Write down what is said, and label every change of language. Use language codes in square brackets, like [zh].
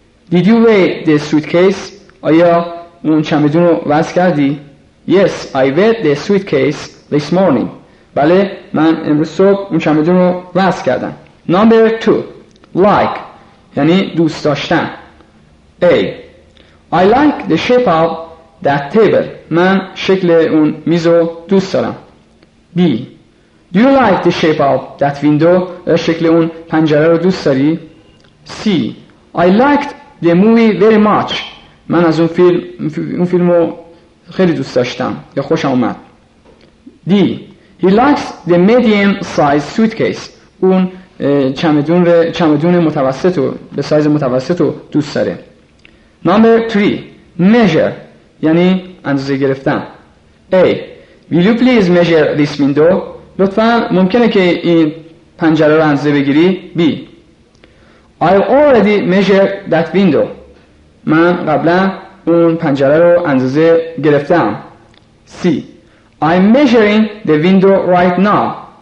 [en] Did you weigh the suitcase؟ [fa] آیا اون چمدون رو وزن کردی؟ [en] Yes, I weighed the suitcase this morning. [fa] بله، من امروز صبح اون چمدون رو وزن کردم. [en] Number 2. [fa] Like یعنی دوست داشتن. [en] A. I like the shape of that table. [fa] من شکل اون میز رو دوست دارم. B. [en] Do you like the shape of that window؟ [fa] شکل اون پنجره رو دوست داری؟ [en] C. I liked the movie very much. [fa] من از اون فیلم رو خیلی دوست داشتم یا خوشم اومد. D. [en] He likes the medium size suitcase. [fa] اون چمدون رو چمدون متوسط رو به سایز متوسط رو دوست داره. [en] Number 3. Measure. [fa] یعنی اندازه گرفتن. [en] A. Will you please measure this window? [fa] لطفاً ممکنه که این پنجره رو اندازه بگیری؟ B. [en] I already measured that window. [fa] من قبلا اون پنجره رو اندازه گرفتم. C. [en] I'm measuring the window right now.